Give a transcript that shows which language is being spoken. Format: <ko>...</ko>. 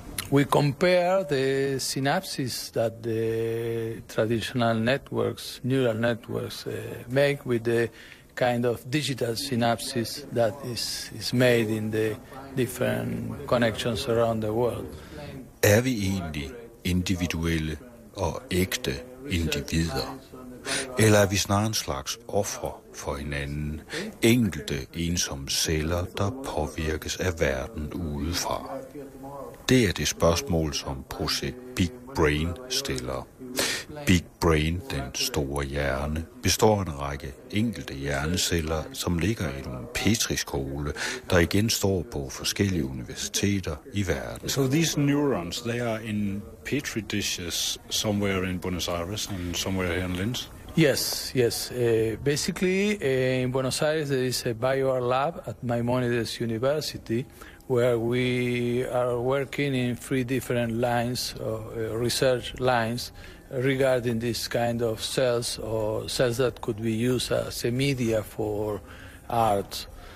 <en>we compare the synapses that the traditional networks, neural networks, make with the kind of digital synapses that is made in the different connections around the world.</en> <da>Er vi egentlig individuelle og ægte individer? Eller er vi snarere en slags offer for hinanden? Enkelte ensomme celler, der påvirkes af verden udefra? Det er det spørgsmål, som projekt Big Brain stiller. Big Brain, den store hjerne, består af en række enkelte hjerneceller, som ligger i en petriskåle, der igen står på forskellige universiteter i verden.</da> <en>So these neurons, they are in petri dishes somewhere in Buenos Aires and somewhere here in Linz? Yes. Basically, in Buenos Aires there is a bio-art lab at Maimonides University, where we are working in three different lines of research lines regarding this kind of cells, or cells that could be used as a media for art.</en>